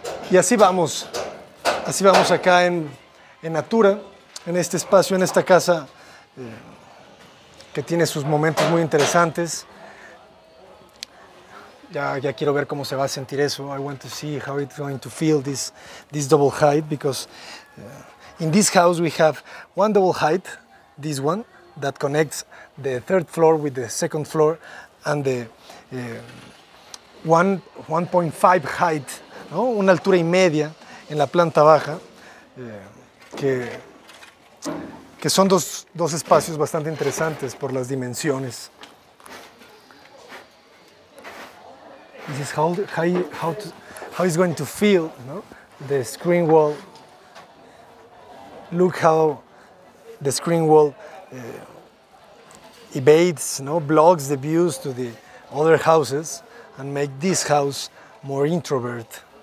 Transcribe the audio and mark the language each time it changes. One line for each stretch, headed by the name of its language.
Spanish: Y así vamos acá en Natura, en este espacio, en esta casa que tiene sus momentos muy interesantes. Ya quiero ver cómo se va a sentir eso.
English: I want to see how it's going to feel, this double height, because in this house we have one double height, this one, that connects the third floor with the second floor, and the 1.5 height, ¿no?
Spanish: Una altura y media en la planta baja, que son dos espacios bastante interesantes por las dimensiones.
English: This is how it's going to feel, ¿no? The screen wall. Look how the screen wall evades, ¿no? Blocks the views to the other houses and make this house more introvert.